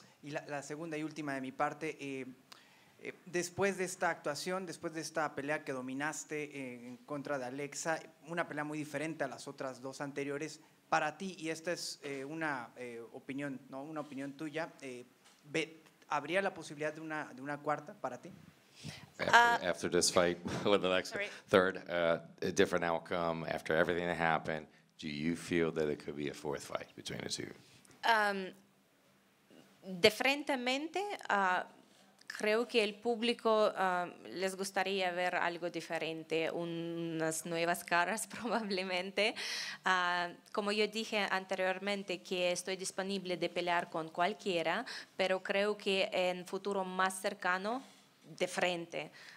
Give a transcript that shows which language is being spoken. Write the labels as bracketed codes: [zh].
[es] Y la segunda y última de mi parte, después de esta actuación, después de esta pelea que dominaste en contra de Alexa, una pelea muy diferente a las otras dos anteriores, para ti, y esta es opinión, ¿no? Una opinión tuya, ¿habría la posibilidad de una cuarta para ti? [en] After this fight with Alexa, third, a different outcome after everything that happened, do you feel that it could be a fourth fight between the two? [es] De frente a mente, creo que el público les gustaría ver algo diferente, unas nuevas caras probablemente. Como yo dije anteriormente, que estoy disponible de pelear con cualquiera, pero creo que en futuro más cercano, de frente.